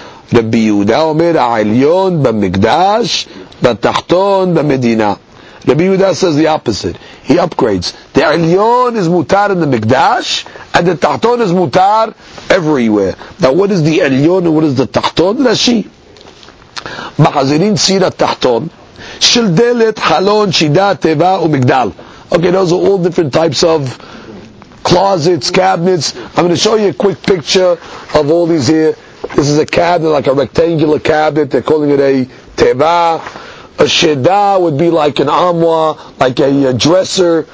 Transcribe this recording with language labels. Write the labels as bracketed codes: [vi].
[he] The Biyuda omer ha'alyon b'mikdash, b'tachton b'medina. [en] The Biyuda says the opposite. He upgrades. The alyon is mutar in the mikdash, and the tachton is mutar everywhere. Now what is the alyon and what is the tachton? Rashi. [he] מחזירים ציר התחתון של דלת, חלון, שידה, טבע ומגדל. [en] Okay, those are all different types of closets, cabinets. I'm going to show you a quick picture of all these here. This is a cabinet, like a rectangular cabinet. They're calling it a teva. A sheda would be like an amwa, like a dresser.